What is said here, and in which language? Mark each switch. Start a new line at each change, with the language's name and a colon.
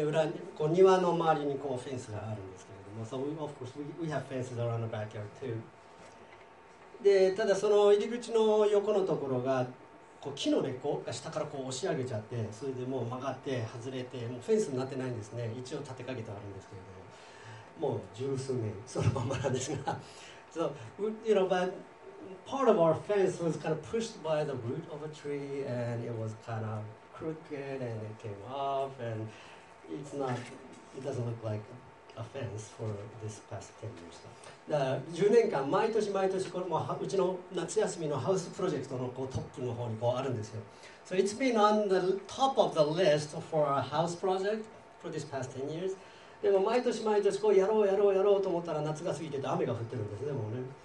Japanese: 裏、こう庭の周りにこうフェンスがあるんですけれども、
English: So we, of course, we have fences around the backyard too.
Japanese: で、ただその入り口の横のところがこう木の根っこが下からこう押し上げちゃって、それでもう曲がって外れて、もうフェンスになってないんですね。一応立てかけてあるんですけれども、もう十数年そのままなんですが、
English: So you know, but part of our fence was kind of pushed by the root of a tree, and it was kind of crooked, and it came off, and it's not, it doesn't look like a fence for this past 10 years.
Japanese: だから10年間毎年毎年これもうちの夏休みのハウスプロジェクトのこうトップの方にこうあるんですよ。
English: So it's been on the top of the list for our house project for this past 10 years.
Japanese: でも毎年毎年こうやろうやろうやろうと思ったら夏が過ぎてて雨が降ってるんですね、もうね。